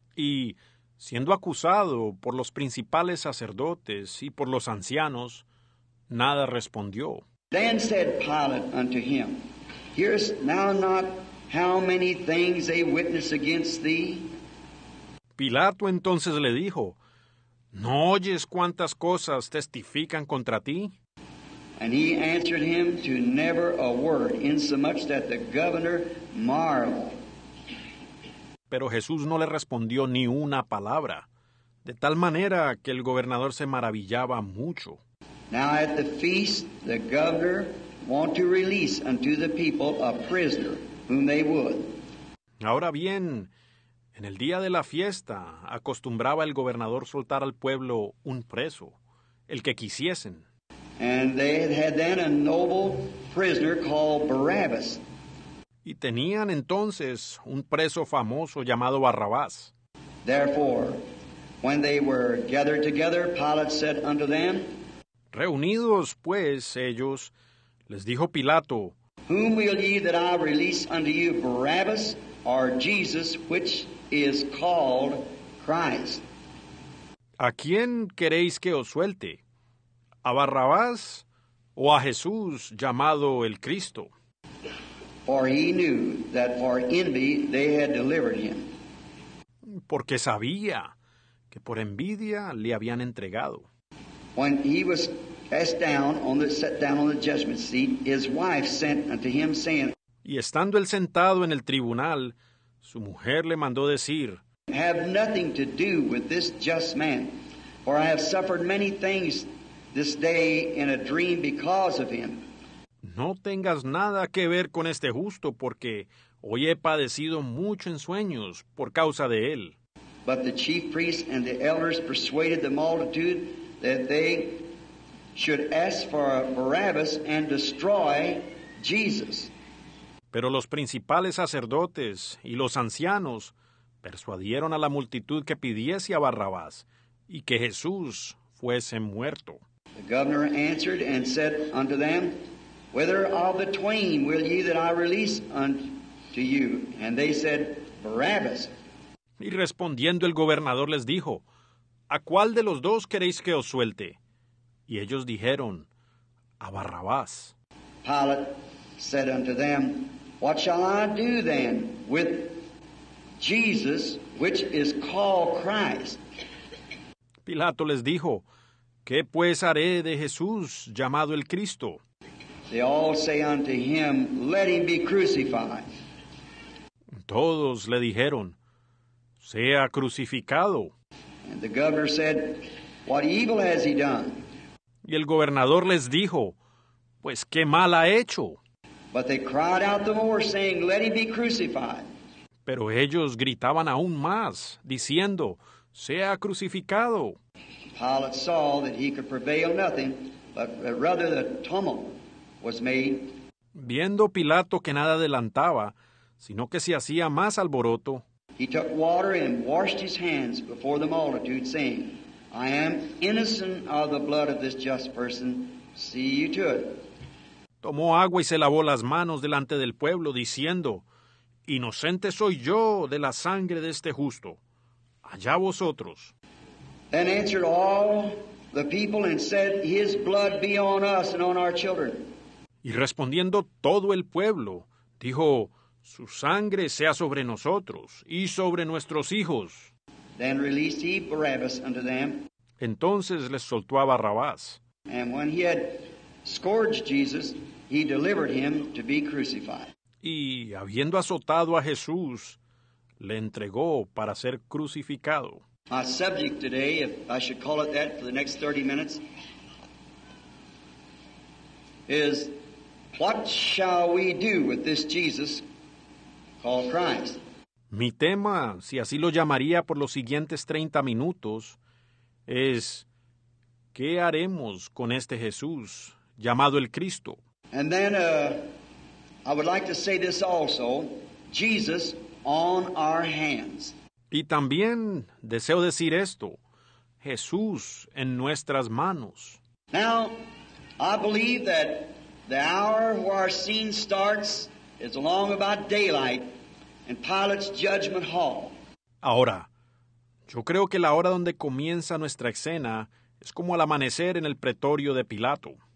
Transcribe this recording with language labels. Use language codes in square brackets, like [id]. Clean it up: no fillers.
[es] Y siendo acusado por los principales sacerdotes y por los ancianos, nada respondió. [en] Then said Pilate unto him, hearest thou not how many things they witness against thee? [es] Pilato entonces le dijo, ¿no oyes cuántas cosas testifican contra ti? [en] And he answered him to never a word, insomuch that the governor marveled. [es] Pero Jesús no le respondió ni una palabra, de tal manera que el gobernador se maravillaba mucho. [en] Now at the feast, the governor want to release unto the people a prisoner whom they would. [es] Ahora bien, en el día de la fiesta, acostumbraba el gobernador soltar al pueblo un preso, el que quisiesen. [en] And they had then a noble prisoner called Barabbas. [es] Y tenían entonces un preso famoso llamado Barrabás. [en] Therefore, when they were gathered together, Pilate said unto them, [es] reunidos pues ellos, les dijo Pilato, [en] whom will ye that I release unto you, Barabbas or Jesus, which is called Christ? [es] ¿A quién queréis que os suelte? ¿A Barrabás o a Jesús llamado el Cristo? [en] For he knew that for envy they had delivered him. [es] Porque sabía que por envidia le habían entregado. [en] When he was cast down on the set down on the judgment seat, his wife sent unto him saying, [es] y estando él sentado en el tribunal, su mujer le mandó decir, [en] have nothing to do with this just man, for I have suffered many things this day in a dream because of him. [es] No tengas nada que ver con este justo, porque hoy he padecido mucho en sueños por causa de él. [en] But the chief priests and the elders persuaded the multitude that they should ask for Barabbas and destroy Jesus. [es] Pero los principales sacerdotes y los ancianos persuadieron a la multitud que pidiese a Barrabás y que Jesús fuese muerto. [en] The governor answered and said unto them, Whether of the twain will ye that I release unto you? And they said, Barabbas. [es] Y respondiendo el gobernador les dijo, ¿A cuál de los dos queréis que os suelte? Y ellos dijeron, A Barrabás. [en] Pilate said unto them, What shall I do then with Jesus, which is called Christ? [es] Pilato les dijo, ¿Qué pues haré de Jesús, llamado el Cristo? [en] They all say unto him, Let him be crucified. [es] Todos le dijeron, Sea crucificado. [en] And the governor said, What evil has he done? [es] Y el gobernador les dijo, Pues qué mal ha hecho. [en] But they cried out the more, saying, Let him be crucified. [es] Pero ellos gritaban aún más, diciendo, Sea crucificado. [en] Pilate saw that he could prevail nothing, but rather the tumult was made. [es] Viendo Pilato que nada adelantaba, sino que se hacía más alboroto, [en] he took water and washed his hands before the multitude, saying, I am innocent of the blood of this just person. See you to it. [es] Tomó agua y se lavó las manos delante del pueblo, diciendo, Inocente soy yo de la sangre de este justo. Allá vosotros. [en] Then answered all the people and said, His blood be on us and on our children. [es] Y respondiendo todo el pueblo, dijo, Su sangre sea sobre nosotros y sobre nuestros hijos. [en] Then released he Barabbas unto them. [es] Entonces les soltó a Barrabás. [en] And when he had scourged Jesus, he delivered him to be crucified. [es] Y habiendo azotado a Jesús, le entregó para ser crucificado. [en] My subject today, if I should call it that for the next 30 minutes, is what shall we do with this Jesus called Christ? [es] Mi tema, si así lo llamaría por los siguientes 30 minutos, es ¿qué haremos con este Jesús llamado el Cristo? [en] And then I would like to say this also, Jesus on our hands. [es] Y también deseo decir esto, Jesús en nuestras manos. [en] Now, I believe that the hour where our scene starts is along about daylight in Pilate's judgment hall. [es] Ahora, yo creo que la hora donde comienza nuestra escena es como al amanecer en el pretorio de Pilato.